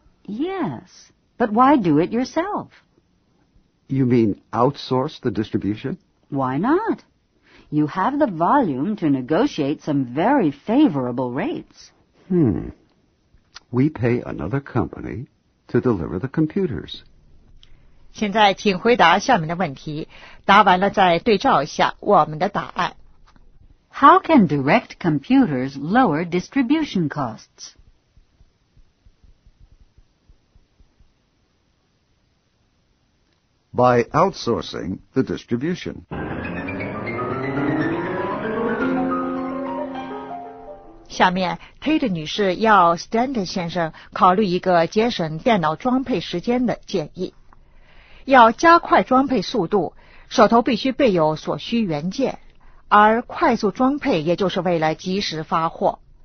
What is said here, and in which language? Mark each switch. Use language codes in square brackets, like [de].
[en] Yes. But why do it yourself? You mean outsource the distribution? Why not? You have the volume to negotiate some very favorable rates. We pay another company to deliver the computers. [zh] 现在请回答下面的问题，答完了再对照一下我们的答案。 [en] How can direct computers lower distribution costs? By outsourcing the distribution. [zh] 下面 Tate 女士要 Stanton 先生考虑一个节省电脑装配时间的建议。要加快装配速度，手头必须备有所需元件，而快速装配也就是为了及时发货。